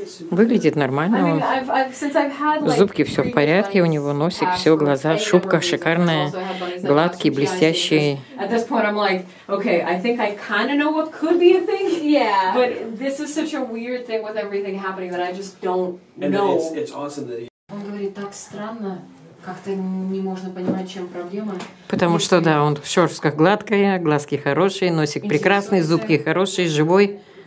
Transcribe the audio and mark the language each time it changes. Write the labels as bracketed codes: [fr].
[ru] Выглядит нормально. Зубки все в порядке, у него носик, все, глаза, шубка шикарная, гладкий, блестящий. [en] At this point, I'm like, okay, I think I kind of know what could be a thing. Yeah. But this is such a weird thing with everything happening that I just don't know. It's awesome that [ru] Он говорит, так странно, как-то не можно понимать, чем проблема. Потому что, да, он в шорстках гладкая, глазки хорошие, носик прекрасный, зубки хорошие, живой.